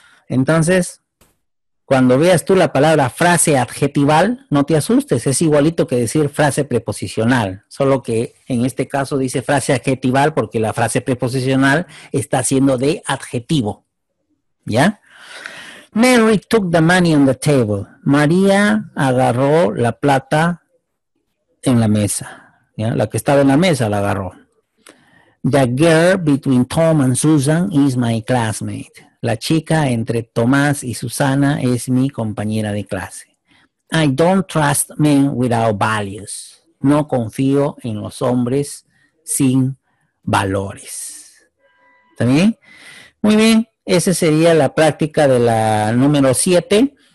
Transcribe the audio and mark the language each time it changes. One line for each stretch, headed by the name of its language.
Spanish: Entonces, cuando veas tú la palabra frase adjetival, no te asustes, es igualito que decir frase preposicional, solo que en este caso dice frase adjetival porque la frase preposicional está siendo de adjetivo, ¿ya?
English: Mary took the money on the table.
Spanish: María agarró la plata en la mesa, ¿ya? La que estaba en la mesa la agarró.
English: The girl between Tom and Susan is my classmate.
Spanish: La chica entre Tomás y Susana es mi compañera de clase.
English: I don't trust men without values.
Spanish: No confío en los hombres sin valores. ¿Está bien? Muy bien. Esa sería la práctica de la número 7.